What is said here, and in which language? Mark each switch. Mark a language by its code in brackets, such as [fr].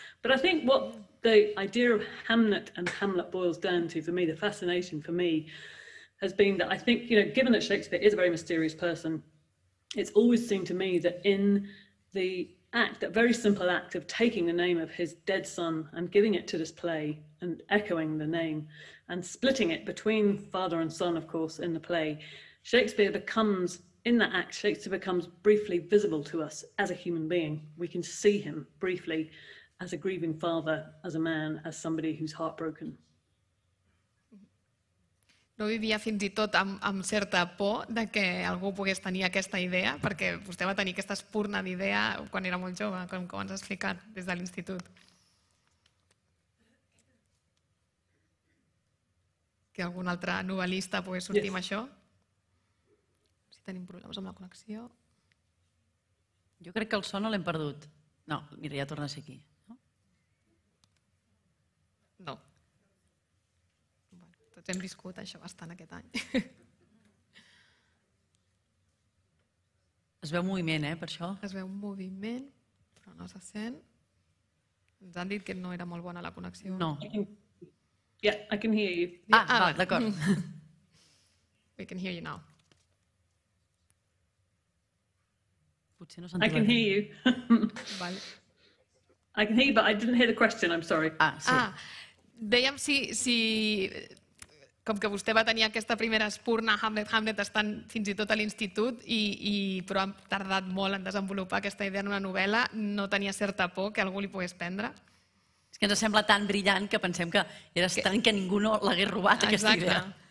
[en] But I think what the idea of Hamnet and Hamlet boils down to for me, the fascination for me, has been that I think, you know, given that Shakespeare is a very mysterious person, it's always seemed to me that in the act, that very simple act of taking the name of his dead son and giving it to this play and echoing the name and splitting it between father and son, of course, in the play, Shakespeare becomes, in that act, Shakespeare becomes briefly visible to us as a human being. We can see him briefly as a grieving father, as a man, as somebody who's heartbroken. [ca] No vivia fins i tot amb certa por de que algú pogués tenir aquesta idea, perquè vostè va tenir aquesta espurna d'idea quan era molt jove, com ens ha explicat des de l'institut. Que algun altre novel·lista pogués sortir amb això. Si tenim problemes amb la connexió. Jo crec que el son no l'hem perdut. No, mira, ja torna a ser aquí. No. Tots hem viscut això bastant aquest any. Es veu moviment, per això? Es veu moviment, però no se sent. Ens han dit que no era molt bona la connexió. No. [en] Yeah, I can hear you. [ca] D'acord. [en] We can hear you now. [ca] Potser no sentim. [en] I can hear you. [ca] Vale. [en] I can hear you, but I didn't hear the question, I'm sorry. [ca] Ah, sí. Dèiem si... com que vostè va tenir aquesta primera espurna Hamlet estant fins i tot a l'institut i però ha tardat molt en desenvolupar aquesta idea en una novel·la, no tenia certa por que algú li pogués prendre? És que ens sembla tan brillant que pensem que era tant que ningú no l'hagués robat aquesta idea.